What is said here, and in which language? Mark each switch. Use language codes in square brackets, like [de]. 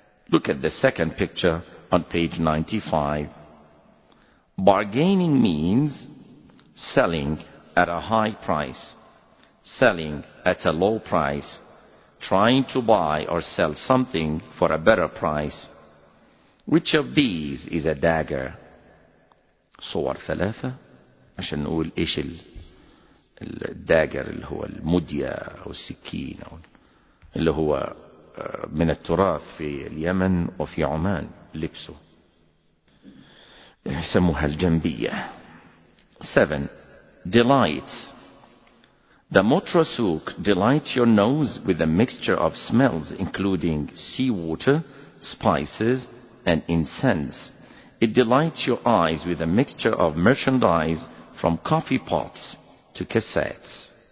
[en] Look at the second picture on page 95. Bargaining means selling at a high price, selling at a low price, trying to buy or sell something for a better price. Which of these is a dagger? [ar] صور ثلاثة عشان نقول إيش الداجر اللي هو المدية أو السكين اللي هو من التراث في اليمن وفي عمان لبسه يسموها الجنبية. [en] 7. Delights. The Motra souk delights your nose with a mixture of smells including seawater, spices, and incense. It delights your eyes with a mixture of merchandise from coffee pots to cassettes.